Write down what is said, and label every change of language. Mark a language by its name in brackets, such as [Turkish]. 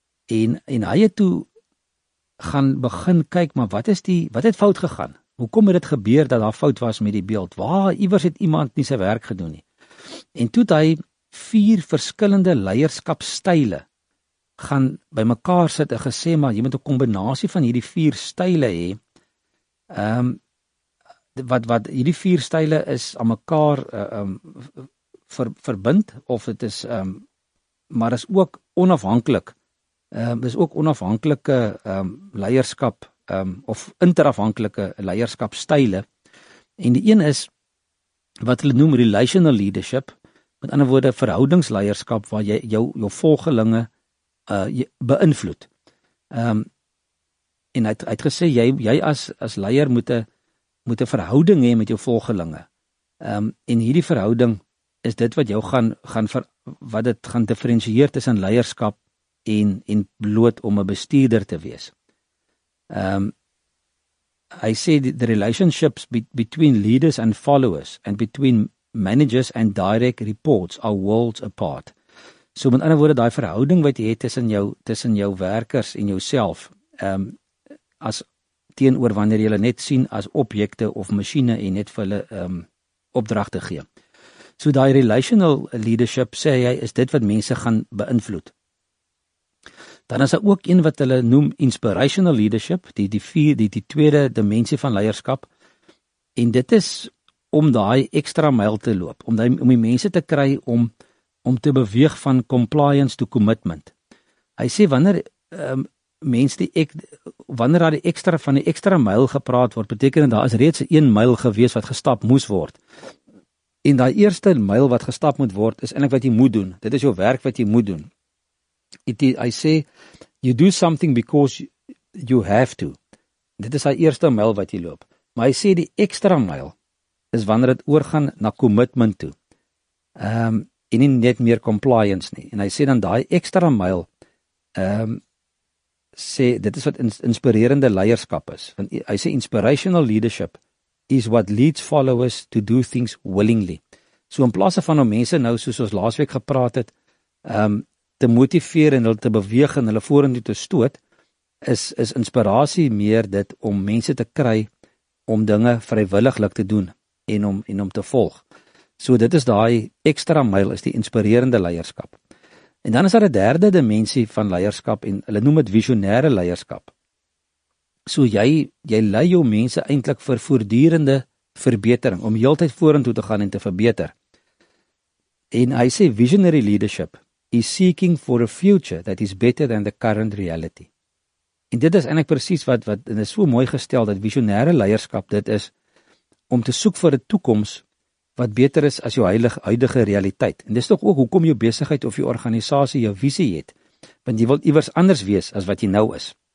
[Afrikaans] En hy het toe gaan begin kyk maar wat het fout gegaan? Hoekom het dit gebeur dat daar fout was met die beeld? Waar iewers het iemand nie sy werk gedoen nie? En toe het hy 4 verskillende leierskapstyle gaan bymekaar sit en gesê maar jy moet 'n kombinasie van hierdie 4 style hê. Wat hierdie 4 style is aan mekaar verbind of dit is maar is ook onafhanklik. Dis ook onafhanklike leierskap of interafhanklike leierskapstyle. En die een is wat hulle noem [English] relational leadership, [Afrikaans] met ander woorde verhoudingsleierskap waar jy jou volgelinge beïnvloed. En hy het gesê jy as leier moet 'n verhouding hê met jou volgelinge. En hierdie verhouding is dit wat jou gaan diferensieer tussen leierskap en bloot om 'n bestuurder te wees. [English] I say the relationships between leaders and followers and between managers and direct reports are worlds apart. [Afrikaans] So met ander woorde, daai verhouding wat jy het tussen jou werkers en jouself, as teenoor wanneer jy hulle net sien as objekte of masjiene en net vir hulle opdragte gee. So daai [English] relational leadership, [Afrikaans] sê hy, is dit wat mense gaan beïnvloed. Dan is daar ook een wat hulle noem [English] inspirational leadership, [Afrikaans] die tweede dimensie van leierskap. En dit is om daai ekstra myl te loop, om die mense te kry om te beweeg van [English] compliance to commitment. [Afrikaans] Hy sê wanneer daar die ekstra van die ekstra myl gepraat word, beteken dit daar is reeds 1 myl gewees wat gestap moes word. En daai eerste myl wat gestap moet word is eintlik wat jy moet doen. Dit is jou werk wat jy moet doen. [English] You do something because you have to. [Afrikaans] Dit is die eerste myl wat jy loop. Maar hy sê die ekstra myl is wanneer dit oorgaan na commitment toe. En nie net meer compliance nie. En hy sê dan daai ekstra myl sê dit is wat inspirerende leierskap is. Want hy sê [English] inspirational leadership is what leads followers to do things willingly. [Afrikaans] So in plaas van om mense nou soos ons laasweek gepraat het, te motiveer en hulle te beweeg en hulle vorentoe te stoot, is inspirasie meer dit om mense te kry om dinge vrywilliglik te doen en om te volg. So dit is daai ekstra myl, is die inspirerende leierskap. En dan is daar 'n derde dimensie van leierskap en hulle noem dit visionêre leierskap. So jy lei jou mense eintlik vir voortdurende verbetering, om heeltyd vorentoe te gaan en te verbeter. En hy sê [English] visionary leadership is seeking for a future that is better than the current reality. [Afrikaans] En dit is eintlik presies wat en is so mooi gestel dat visionêre leierskap dit is om te soek vir 'n toekoms wat beter is as jou huidige realiteit. En dis tog ook hoekom jou besigheid of jou organisasie jou visie het, want jy wil iewers anders wees as wat jy nou is.